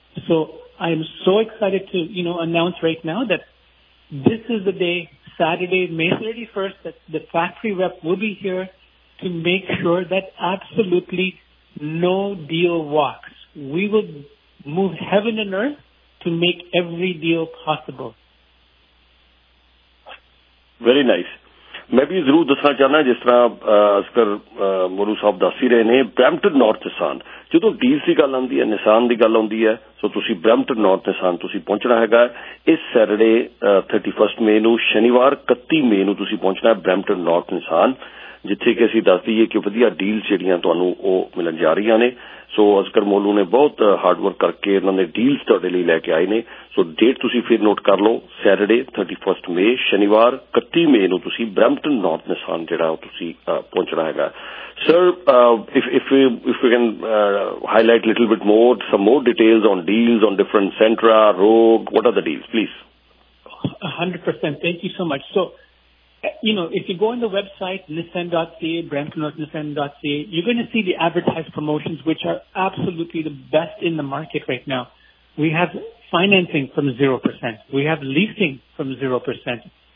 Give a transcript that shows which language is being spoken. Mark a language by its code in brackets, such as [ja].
[en] So I am so excited to, you know, announce right now that this is the day, Saturday, May 31st, that the factory rep will be here to make sure that absolutely no deal walks. We will move heaven and earth to make every deal possible. Very nice. [pa] ਮੈਂ ਵੀ ਜ਼ਰੂਰ ਦੱਸਣਾ ਚਾਹੁੰਦਾ ਜਿਸ ਤਰ੍ਹਾਂ ਅਸਕਰ ਮੋਰੂ ਸਾਹਿਬ ਦੱਸ ਹੀ ਰਹੇ ਨੇ Brampton north Nissan ਜਦੋਂ ਡੀਲ ਦੀ ਗੱਲ ਆਉਂਦੀ ਹੈ ਨਿਸਾਨ ਦੀ ਗੱਲ ਆਉਂਦੀ ਹੈ ਸੋ ਤੁਸੀਂ ਬ੍ਰੈਂਪਟਨ ਨਾਰਥ ਨਿਸਾਨ ਤੁਸੀਂ ਪਹੁੰਚਣਾ ਹੈਗਾ ਇਸ ਸੈਟਰਡੇ 31st ਮਈ ਨੂੰ ਸ਼ਨੀਵਾਰ 31 ਮਈ ਨੂੰ ਤੁਸੀਂ ਪਹੁੰਚਣਾ ਬ੍ਰੈਂਪਟਨ ਨਾਰਥ ਨਿਸਾਨ ਜਿੱਥੇ ਕਿ ਅਸੀਂ ਦੱਸ ਦਈਏ ਕਿ ਵਧੀਆ ਡੀਲ ਜਿਹੜੀਆਂ ਤੁਹਾਨੂੰ ਉਹ ਮਿਲਣ ਜਾ ਰਹੀਆਂ ਨੇ ਸੋ ਅਸਕਰ ਮੋਲੂ ਨੇ ਬਹੁਤ ਹਾਰਡਵਰਕ ਕਰਕੇ ਇਹਨਾਂ ਨੇ ਡੀਲ ਤੁਹਾਡੇ ਲਈ ਲੈ ਕੇ ਆਏ ਨੇ ਸੋ ਡੇਟ ਤੁਸੀਂ ਫਿਰ ਨੋਟ ਕਰ ਲਓ ਸੈਟਰਡੇ 31st ਮਈ ਸ਼ਨੀਵਾਰ 31 ਮਈ ਨੂੰ ਤੁਸੀਂ ਬ੍ਰੈਂਪਟਨ ਨਾਰਥ ਨਿਸਾਨ ਜਿਹੜਾ ਤੁਸੀਂ ਪਹੁੰਚਣਾ ਹੈਗਾ [en] Sir if you can highlight little bit more some more details on deals on different Sentra Rogue what are the deals please 100% thank you so much You know, if you go on the website, nissan.ca, brampton.nissan.ca, you're going to see the advertised promotions, which are absolutely the best in the market right now. We have financing from 0%. We have leasing from 0%.